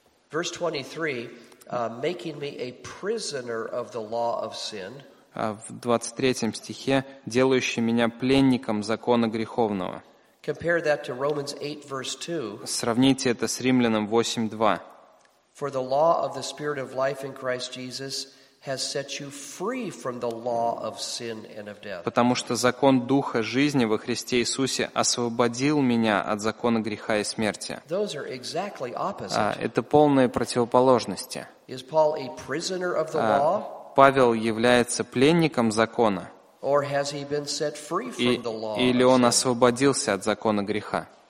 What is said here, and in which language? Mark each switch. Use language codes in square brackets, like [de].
[en] Verse 23. Making me a prisoner of the law of sin. [ru] В 23 стихе, делающий меня пленником закона греховного. [en] Compare that to Romans 8, verse 2. [ru] Сравните это с Римлянам 8:2. [en] For the law of the Spirit of life in Christ Jesus has set you free from the law of sin and of death. [ru] Потому что закон духа жизни во Христе Иисусе освободил меня от закона греха и смерти. [en] Those are exactly opposite. [ru] Это полные противоположности. [en] Is Paul a prisoner of the law? [ru] Павел является пленником закона. [en] Or has he been set free from the law? [ru] Или он освободился от закона греха?